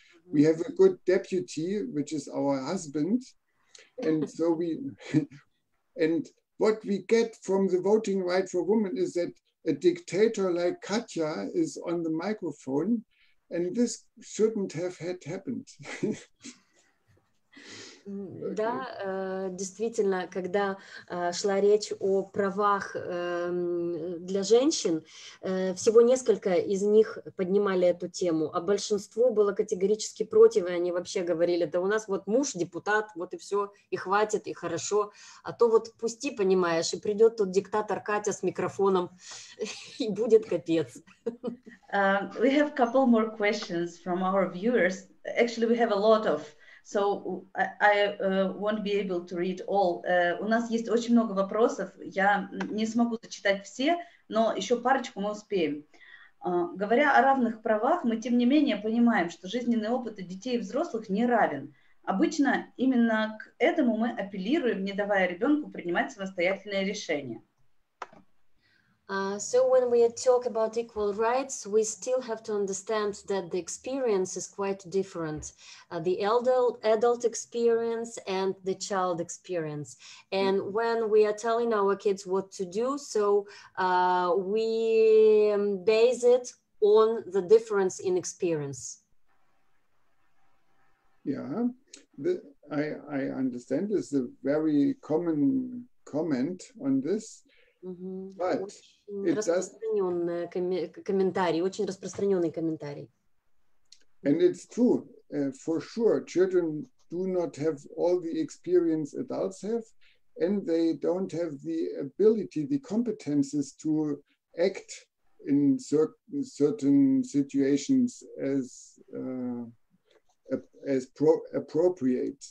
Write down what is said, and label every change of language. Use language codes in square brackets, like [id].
[en] We have a good deputy, which is our husband. And so And what we get from the voting right for women is that a dictator like Katya is on the microphone, and this shouldn't have had happened. [ru] Да, действительно, когда шла речь о правах для женщин, всего несколько из них поднимали эту тему, а большинство было категорически против, и они вообще говорили, да у нас вот муж депутат, вот и все, и хватит, и хорошо, а то вот пусти, понимаешь, и придет тот диктатор Катя с микрофоном, и будет капец. [en] We have a couple more questions from our viewers. Actually, we have a lot of. So I won't be able to read all. [ru] У нас есть очень много вопросов. Я не смогу зачитать все, но еще парочку мы успеем. Говоря о равных правах, мы тем не менее понимаем, что жизненный опыт детей и взрослых не равен. Обычно именно к этому мы апеллируем, не давая ребенку принимать самостоятельное решение. [en] So when we talk about equal rights, we still have to understand that the experience is quite different. The adult experience and the child experience. And when we are telling our kids what to do, so we base it on the difference in experience. Yeah, I understand. It's a very common comment on this. Mm-hmm. But [ru] очень распространенный комментарий. [en] And it's true, for sure, children do not have all the experience adults have, and they don't have the ability, the competences to act in certain situations as appropriate.